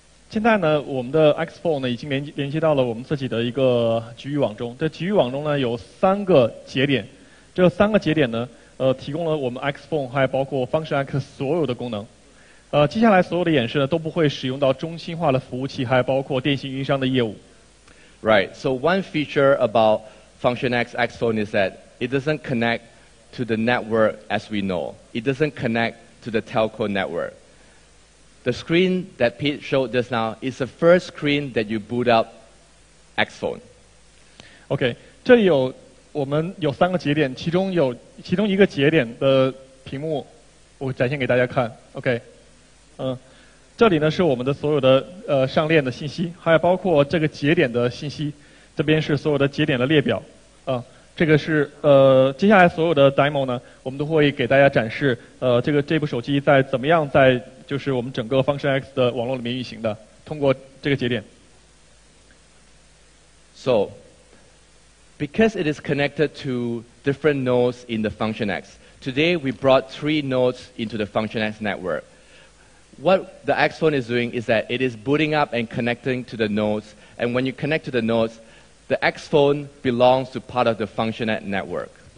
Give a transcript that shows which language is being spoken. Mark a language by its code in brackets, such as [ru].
[zh] 现在呢，我们的 XPhone呢已经连接到了我们自己的一个局域网中。这局域网中呢有三个节点，这三个节点呢，提供了我们 XPhone 还包括 Function X 所有的功能。接下来所有的演示呢都不会使用到中心化的服务器，还包括电信运营商的业务。Right. [en] So one feature about Function X XPhone is that it doesn't connect to the network as we know. It doesn't connect to the telco network. The screen that Pete showed just now is the first screen that you boot up XPhone. [zh] Okay, 这里有我们有三个节点，其中一个节点的屏幕我展现给大家看。OK，这里呢是我们的所有的上链的信息，还有包括这个节点的信息，这边是所有的节点的列表。这个是接下来所有的 demo 呢，我们都会给大家展示。这部手机在怎么样在就是我们整个 Function X 的网络里面运行的，通过这个节点。 [en] So, because it is connected to different nodes in the Function X, today we brought three nodes into the Function X network. What the XPhone is doing is that it is booting up and connecting to the nodes, and when you connect to the nodes, the XPhone belongs to part of the Function X network.